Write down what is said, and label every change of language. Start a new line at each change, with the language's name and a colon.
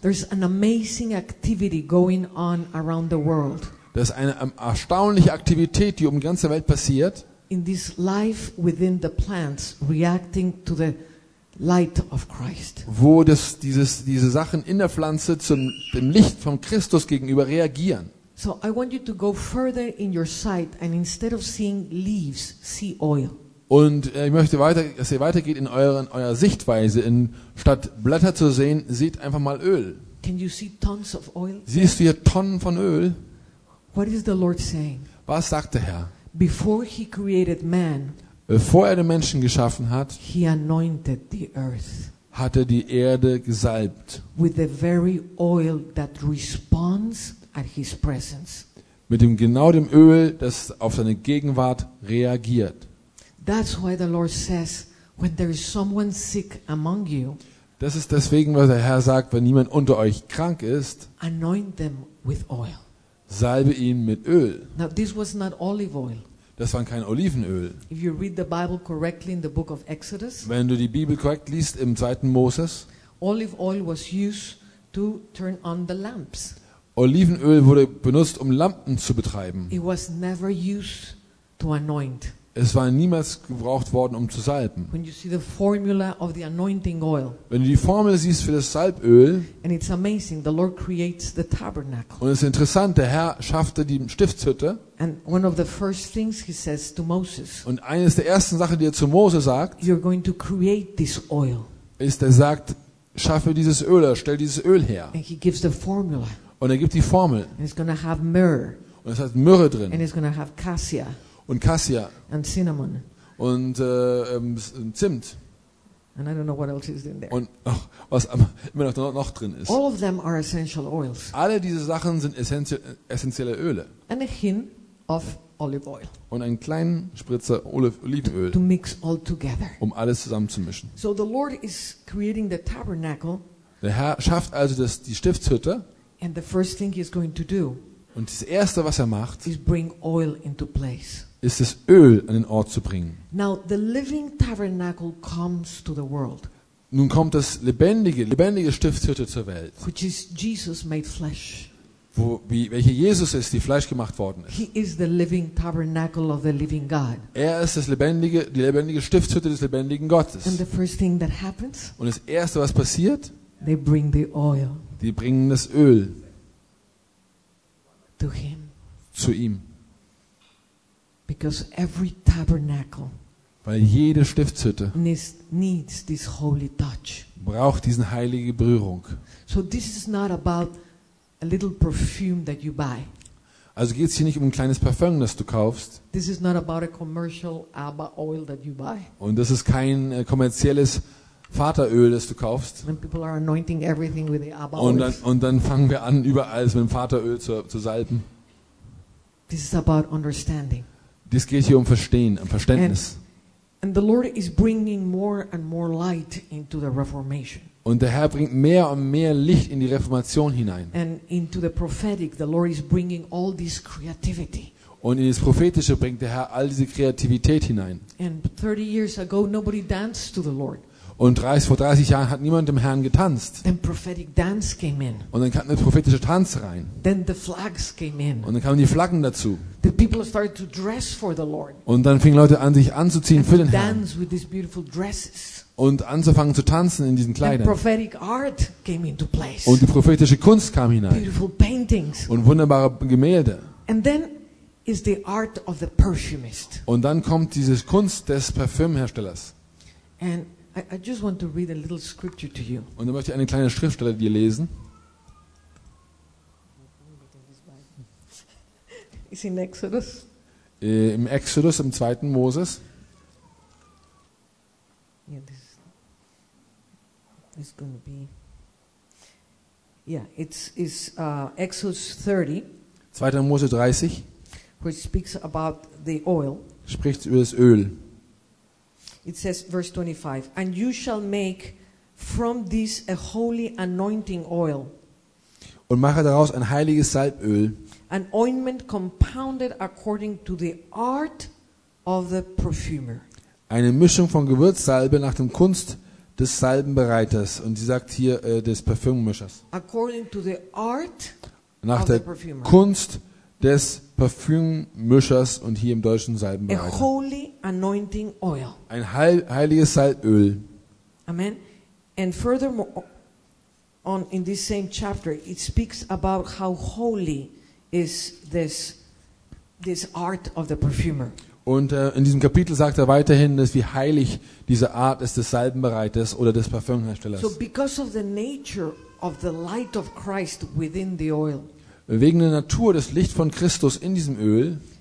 English: There's an amazing activity going on around the world.
German: Das ist eine erstaunliche Aktivität, die um die ganze Welt passiert.
English: In this life within the plants reacting to the light of Christ.
German: Wo diese Sachen in der Pflanze dem Licht von Christus gegenüber reagieren.
English: So I want you to go further in your sight and instead of seeing leaves, see oil.
German: Und ich möchte weiter, dass ihr weitergeht in eurer Sichtweise, in statt Blätter zu sehen, seht einfach mal Öl.
English: Can you see tons of oil?
German: Siehst du hier Tonnen von Öl?
English: What is the Lord saying?
German: Was sagt der Herr?
English: Before he created man,
German: bevor er den Menschen geschaffen hat,
English: he anointed the earth,
German: hat er die Erde gesalbt
English: with the very oil that responds at his presence.
German: Mit dem Öl, das auf seine Gegenwart reagiert.
English: That's why the Lord says, when there is someone sick among you,
German: das ist deswegen, was der Herr sagt, wenn niemand unter euch krank ist,
English: anoint them with oil.
German: Salbe ihn mit Öl.
English: Now this was not olive oil.
German: Das waren kein Olivenöl.
English: If you read the Bible correctly in the book of Exodus,
German: wenn du die Bibel korrekt liest im 2. Moses,
English: olive oil was used to turn on the lamps.
German: Olivenöl wurde benutzt, um Lampen zu betreiben.
English: It was never used to anoint.
German: Es war niemals gebraucht worden, um zu salben.
English: When you see the formula of the anointing oil,
German: wenn du die Formel siehst für das Salböl,
English: and it's amazing, the Lord creates the tabernacle.
German: Und es ist interessant, der Herr schaffte die Stiftshütte.
English: And one of the first things he says to Moses,
German: und eines der ersten Sachen, die er zu Mose sagt,
English: you're going to create this oil.
German: Ist, er sagt, schaffe dieses Öl, stell dieses Öl her.
English: And he gives the formula.
German: Und er gibt die Formel.
English: And it's gonna have myrrh.
German: Und es hat Myrrhe drin.
English: And it's gonna have cassia.
German: Und Cassia.
English: And cinnamon.
German: Und Zimt.
English: And I don't know what else is in there.
German: Und oh, was immer noch drin ist.
English: All of them are essential oils.
German: Alle diese Sachen sind essentielle Öle.
English: And a hint of olive oil.
German: Und einen kleinen Spritzer Olivenöl.
English: To mix all together.
German: Um alles zusammen zu mischen.
English: So the Lord is creating the tabernacle.
German: Der Herr schafft also die Stiftshütte.
English: And the first thing he's going to do.
German: Und das Erste, was er macht,
English: is bring oil into place.
German: Ist das Öl an den Ort zu bringen.
English: Now, the living tabernacle comes to the world,
German: nun kommt das lebendige Stiftshütte zur Welt,
English: which is Jesus made flesh.
German: Welche Jesus ist, die Fleisch gemacht worden ist.
English: He is the living tabernacle of the living God.
German: Er ist die lebendige Stiftshütte des lebendigen Gottes.
English: And the first thing that happens,
German: und das Erste, was passiert,
English: they bring the oil.
German: Die bringen das Öl.
English: To him.
German: Zu ihm.
English: Because every tabernacle,
German: weil jede Stiftshütte
English: needs this holy touch,
German: braucht diesen heilige Berührung.
English: So this is not about a little perfume that you buy.
German: Also geht es hier nicht um ein kleines Parfüm, das du kaufst.
English: This is not about a commercial ABBA oil that you buy.
German: Und das ist kein kommerzielles Vateröl, das du kaufst.
English: When people are anointing everything with the ABBA oil.
German: Und dann fangen wir an, überall mit dem Vateröl zu salben.
English: This is about understanding.
German: Das geht hier um Verstehen, um Verständnis.
English: And the Lord is bringing more and more light into the Reformation.
German: Und der Herr bringt mehr und mehr Licht in die Reformation hinein.
English: And into the prophetic, the Lord is bringing all this creativity.
German: Und in das Prophetische bringt der Herr all diese Kreativität hinein.
English: And 30 years ago, nobody danced to the Lord.
German: Und vor 30 Jahren hat niemand dem Herrn getanzt.
English: Then prophetic dance came in.
German: Und dann kam der prophetische Tanz rein.
English: Then the flags came in.
German: Und dann kamen die Flaggen dazu.
English: The people started to dress for the Lord.
German: Und dann fingen Leute an, sich anzuziehen
English: and
German: für den
English: dance
German: Herrn.
English: With these beautiful dresses.
German: Und anzufangen zu tanzen in diesen Kleidern.
English: And prophetic art came into place.
German: Und die prophetische Kunst kam hinein.
English: Beautiful paintings.
German: Und wunderbare Gemälde.
English: And then is the art of the perfumist.
German: Und dann kommt diese Kunst des Parfümherstellers.
English: And I just want to read a little scripture to you.
German: Und dann möchte ich eine kleine Schriftstelle dir lesen.
English: It's in Exodus.
German: Im Exodus, im zweiten Moses.
English: Yeah, this is going to be. Yeah, it's Exodus 30.
German: Zweiter Mose 30.
English: Which speaks about the oil.
German: Spricht über das Öl.
English: It says, verse 25, and you shall make from this a holy anointing oil.
German: Und mache daraus ein heiliges Salböl.
English: An ointment compounded according to the art of the perfumer.
German: Eine Mischung von Gewürzsalbe nach dem Kunst des Salbenbereiters. Und sie sagt hier, des Parfümmischers.
English: According to the art
German: nach
English: of
German: der
English: the perfumer.
German: Kunst des Parfümmischers und hier im deutschen Salbenbereiter.
English: A holy anointing oil.
German: Ein heiliges Salböl. Amen.
English: And furthermore, on in this same chapter, it speaks about how holy is this art of the perfumer.
German: Und in diesem Kapitel sagt er weiterhin, dass wie heilig diese Art ist des Salbenbereiters oder des Parfümherstellers.
English: So because of the nature of the light of Christ within the oil.
German: Wegen der Natur des Lichts von Christus in diesem Öl.